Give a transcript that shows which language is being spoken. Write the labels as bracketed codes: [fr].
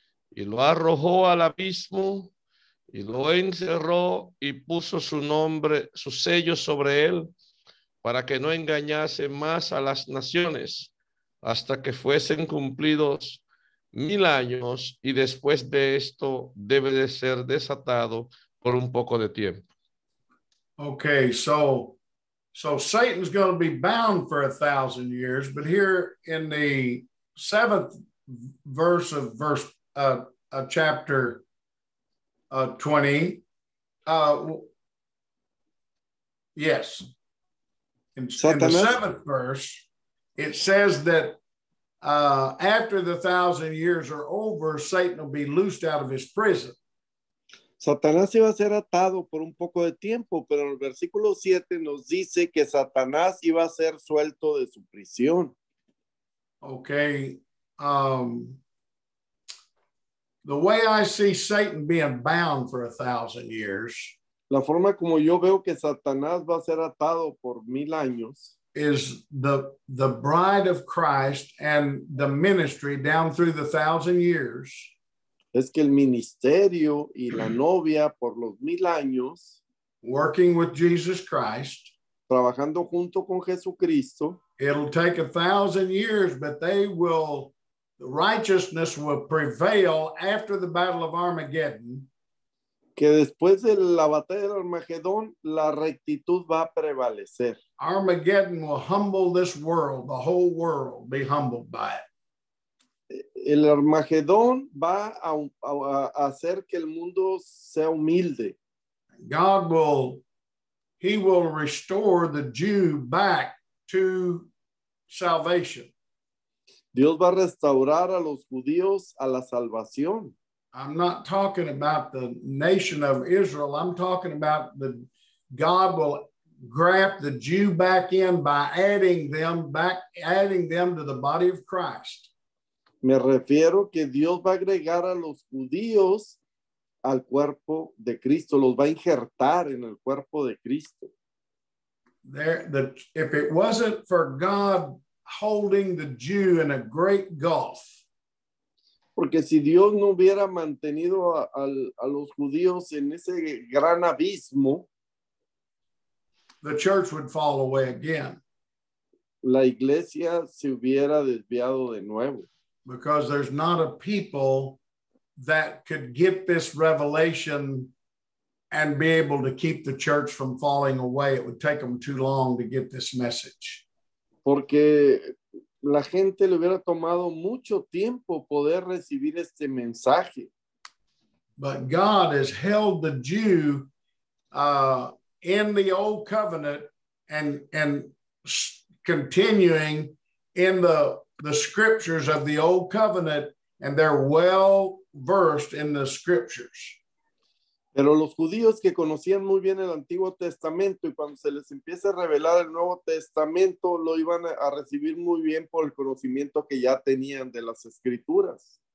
[es] Y lo arrojó al abismo y lo encerró y puso su nombre, su sello sobre él para que no engañase más a las naciones hasta que fuesen cumplidos 1,000 años y después de esto debe de ser desatado por un poco de tiempo. [en] Okay, so Satan's going to be bound for 1,000 years, but here in the 7th verse of chapter 20. Yes. In the 7th verse, it says that after the 1,000 years are over, Satan will be loosed out of his prison. [es] Satanás iba a ser atado por un poco de tiempo, pero en el versículo 7 nos dice que Satanás iba a ser suelto de su prisión. [en] Okay. The way I see Satan being bound for 1,000 years, [es] la forma como yo veo que Satanás va a ser atado por 1,000 años, [en] is the bride of Christ and the ministry down through the 1,000 years. [es] Es que el ministerio y la novia por los 1,000 años, [en] working with Jesus Christ, [es] trabajando junto con Jesucristo, [en] it'll take 1,000 years, but they will. The righteousness will prevail after the battle of Armageddon. [es] Que después de la batalla de Armagedón, la rectitud va a prevalecer. [en] Armageddon will humble this world, the whole world be humbled by it. [es] El Armagedón va a hacer que el mundo sea humilde. [en] He will restore the Jew back to salvation. [es] Dios va a restaurar a los judíos a la salvación. [en] I'm not talking about the nation of Israel. I'm talking about the God will grab the Jew back in by adding them to the body of Christ. [es] Me refiero que Dios va a agregar a los judíos al cuerpo de Cristo, los va a injertar en el cuerpo de Cristo. [en] If it wasn't for God holding the Jew in a great gulf. [es] Porque si Dios no hubiera mantenido a los judíos en ese gran abismo, [en] the church would fall away again. [es] La iglesia se hubiera desviado de nuevo. [en] Because there's not a people that could get this revelation and be able to keep the church from falling away. It would take them too long to get this message. [es] Porque la gente le hubiera tomado mucho tiempo poder recibir este mensaje. [en] But God has held the Jew in the old covenant and continuing in the scriptures of the old covenant, and they're well versed in the scriptures. [es] Pero los judíos que conocían muy bien el Antiguo Testamento y cuando se les empiece a revelar el Nuevo Testamento lo iban a recibir muy bien por el conocimiento que ya tenían de las escrituras.